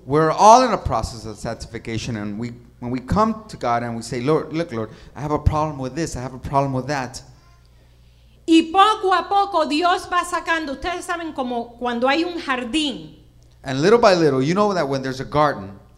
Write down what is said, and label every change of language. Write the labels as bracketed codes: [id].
[en] We're all in a process of sanctification, and when we come to God and we say, Lord, look, Lord, I have a problem with this, I have a problem with that. [es] Y poco a poco Dios va sacando. Ustedes saben como cuando hay un jardín. [en] And little by little, you know that when there's a garden,